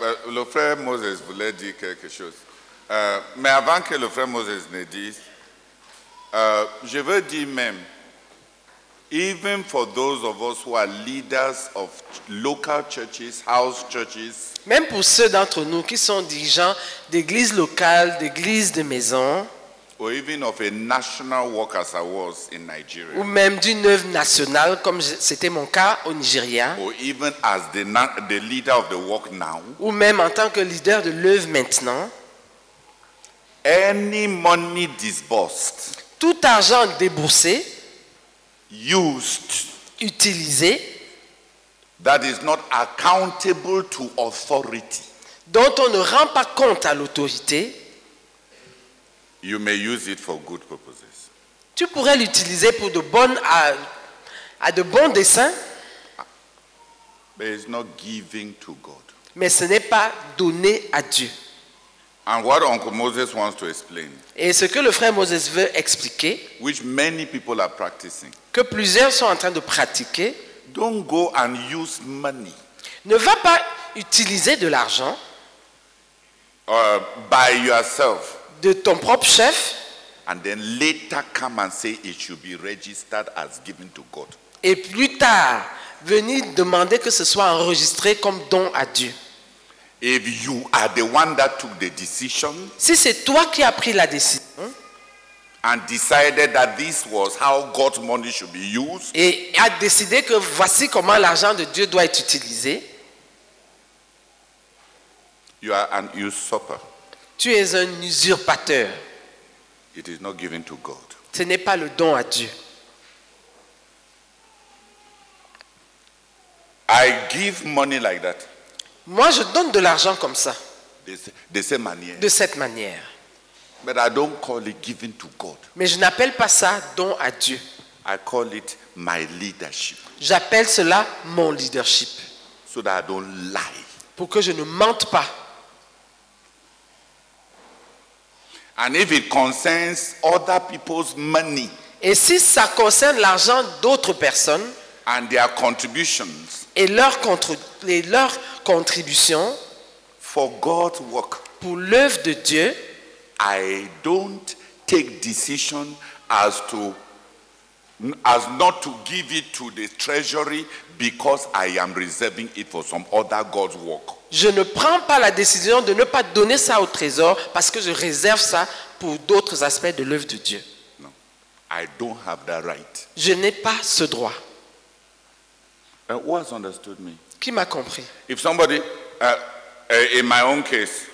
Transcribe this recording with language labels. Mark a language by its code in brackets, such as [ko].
[fr] Le frère Moses voulait dire quelque chose. Mais avant que le frère Moses ne dise, je veux dire même, [en] even for those of us who are leaders of local churches, house churches, [fr] même pour ceux d'entre nous qui sont dirigeants d'églises locales, d'églises de maison, [en] or even of a national work as I was in Nigeria. [fr] Ou même d'une œuvre nationale comme c'était mon cas au Nigeria. [en] Or even as the leader of the work now. [fr] Ou même en tant que leader de l'œuvre maintenant. [en] Any money disbursed. [fr] Tout argent déboursé. [en] Used. [fr] Utilisé. [en] That is not accountable to authority. [fr] Dont on ne rend pas compte à l'autorité. [en] You may use it for good purposes. [fr] Tu pourrais l'utiliser pour de bonnes à de bons desseins. [en] But it's not giving to God. [fr] Mais ce n'est pas donner à Dieu. [en] And what Uncle Moses wants to explain. [fr] Et ce que le frère Moses veut expliquer. [en] Which many people are practicing. [fr] Que plusieurs sont en train de pratiquer. [en] Don't go and use money. [fr] Ne va pas utiliser de l'argent. [en] By yourself. [fr] De ton propre chef. [en] And then later come and say it should be registered as given to God. [fr] Et plus tard, venir demander que ce soit enregistré comme don à Dieu. [en] If you are the one that took the decision. [fr] Si c'est toi qui as pris la décision. [en] And decided that this was how God's money should be used. [fr] Et a décidé que voici comment l'argent de Dieu doit être utilisé. [en] You are an usurper. [fr] Tu es un usurpateur. [en] It is not given to God. [fr] Ce n'est pas le don à Dieu. [en] I give money like that. [fr] Moi, je donne de l'argent comme ça. De cette manière. De cette manière. [en] But I don't call it giving to God. [fr] Mais je n'appelle pas ça don à Dieu. [en] I call it my leadership. [fr] J'appelle cela mon leadership. [en] So that I don't lie. [fr] Pour que je ne mente pas. [en] And if it concerns other people's money. [fr] Et si ça concerne l'argent d'autres personnes. [en] And their contributions. [fr] Et leurs contributions. [en] For God's work. [fr] Pour l'œuvre de Dieu. [en] I don't take decision as not to give it to the treasury because I am reserving it for some other God's work. [fr] Je ne prends pas la décision de ne pas donner ça au trésor parce que je réserve ça pour d'autres aspects de l'œuvre de Dieu. [en] No, I don't have that right. [fr] Je n'ai pas ce droit. [en] Who has understood me? [fr] Qui m'a compris? [en] If somebody, in my own case,